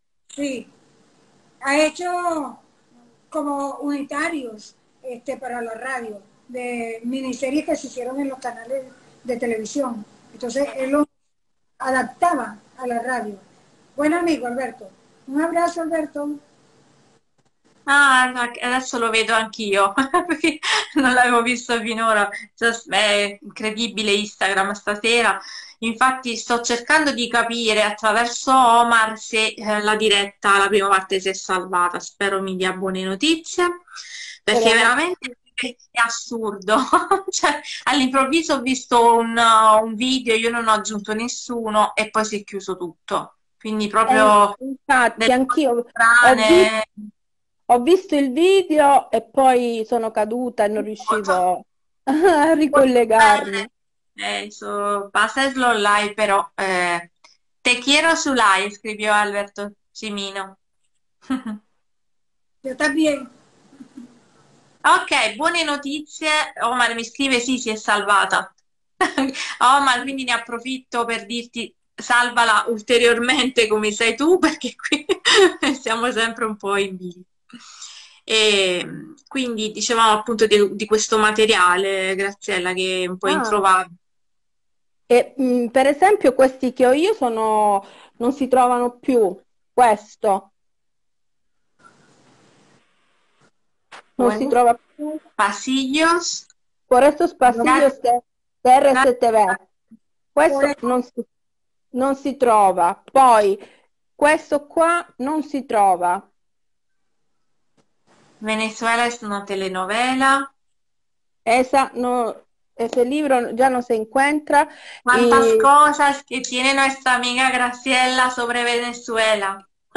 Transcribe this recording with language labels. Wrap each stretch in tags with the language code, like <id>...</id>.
<es>Sí, ha hecho como unitarios para la radio, de miniseries que se hicieron en los canales de televisión. Entonces él lo adaptaba a la radio. Buen amigo, Alberto. Un abrazo, Alberto.</es> <it>Ah, adesso lo vedo anch'io, perché non l'avevo visto finora. È incredibile Instagram stasera. Infatti sto cercando di capire attraverso Omar se la diretta, la prima parte, si è salvata. Spero mi dia buone notizie, perché veramente è assurdo. Cioè, all'improvviso ho visto un video, io non ho aggiunto nessuno e poi si è chiuso tutto. Quindi proprio... infatti, anch'io strane... ho visto il video e poi sono caduta e non riuscivo a ricollegarmi. Passa slow live, però.</it> <es>Te quiero su live, scrivió Alberto Cimino. Io también.</es> <it>Ok, buone notizie. Omar mi scrive, sì, si è salvata. Omar, quindi ne approfitto per dirti salvala ulteriormente come sei tu, perché qui siamo sempre un po' in bilico. E quindi dicevamo appunto di questo materiale, Graziella, che è un po' introvabile. E, per esempio, questi che ho io sono non si trovano più. Questo non si trova più.</it> <es>Pasillos. Por estos pasillos de RCTV.</es> <it>Questo non si trova. Poi questo qua non si trova.</it> <es>Venezuela es una telenovela. Ese libro ya no se encuentra. ¿Cuántas cosas que tiene nuestra amiga Graciela sobre Venezuela?</es>